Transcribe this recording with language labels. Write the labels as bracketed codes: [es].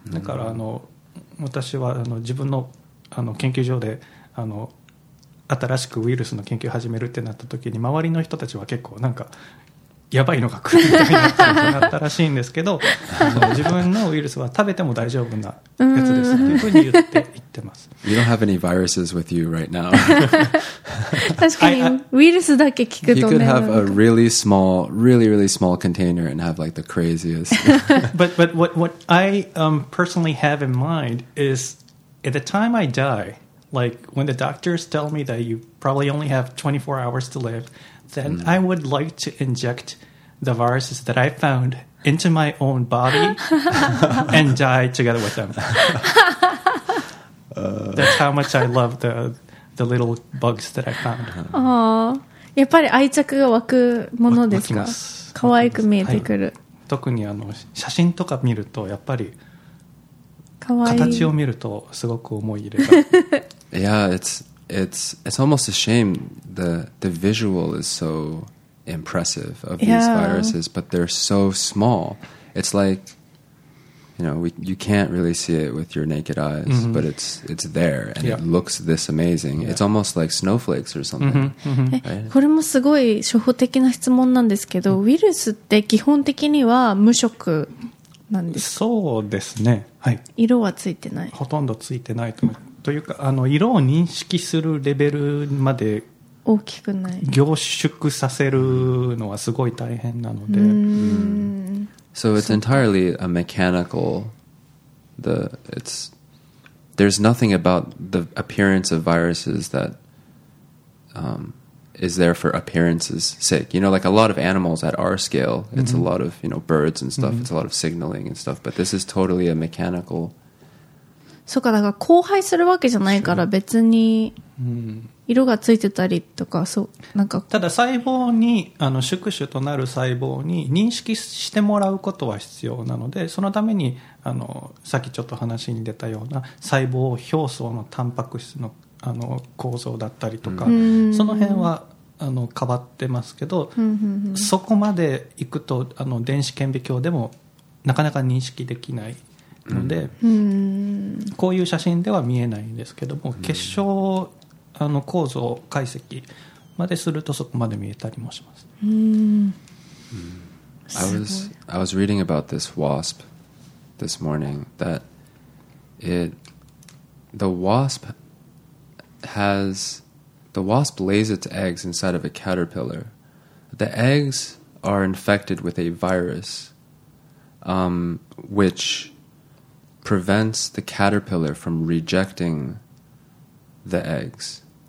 [ja] だからあの私はあの自分 の研究所であの新しくウイルスの研究を始めるってなった時に、周りの人たちは結構なんかやばいのが来るみたいなになったらしいんですけど、自分のウイルスは食べても大丈夫なやつですっていうふうに言ってます。 [en] You don't have any viruses with you right now. [ja] 確かに、ウイルスだけ聞くとね。 [en] You could have a really small, really, really small container and have like the craziest. but what I personally have in mind is at the time I die, like when the doctors tell me that you probably only have 24 hours to live, then I would like to inject the viruses that I found into my own body and die together with them. That's how much I love the little bugs that I found. [ja] Oh, やっぱり愛着が湧くものですか？可愛く見えてくる。特にあの写真とか見るとやっぱり形を見るとすごく思い入れが。 [en] Yeah, it's almost a shame the visual is so impressive of these viruses, but they're so small. It's like, you know, you can't really see it with your naked eyes, mm-hmm. but it's there and it looks this amazing. Yeah. It's almost like snowflakes or something. Mm-hmm. Mm-hmm. Right? [ja] これもすごい初歩的な質問なんですけど、ウイルスって基本的には無色なんですか？そうですね。はい。色はついてない。ほとんどついてないと思います。というか、あの色を認識するレベルまで大きくない凝縮させるのはすごい大変なので、 [en] So it's entirely a mechanical. There's nothing about the appearance of viruses that is there for appearance's sake. You know, like a lot of animals at our scale, it's a lot of, you know, birds and stuff. It's a lot of signaling and stuff. But this is totally a mechanical. [ja] そうか、だから交配するわけじゃないから別に色がついてたりとか、そうなんか。ただ細胞に、あの宿主となる細胞に認識してもらうことは必要なので、そのためにあのさっきちょっと話に出たような細胞表層のタンパク質の、あの構造だったりとか、その辺はあの変わってますけど、そこまでいくとあの電子顕微鏡でもなかなか認識できないので、こういう写真では見えないんですけども、結晶あの構造解析までするとそこまで見えたりもします。 [en] I was reading about this wasp this morning that the wasp lays its eggs inside of a caterpillar. The eggs are infected with a virus which prevents the caterpillar from rejecting the eggs.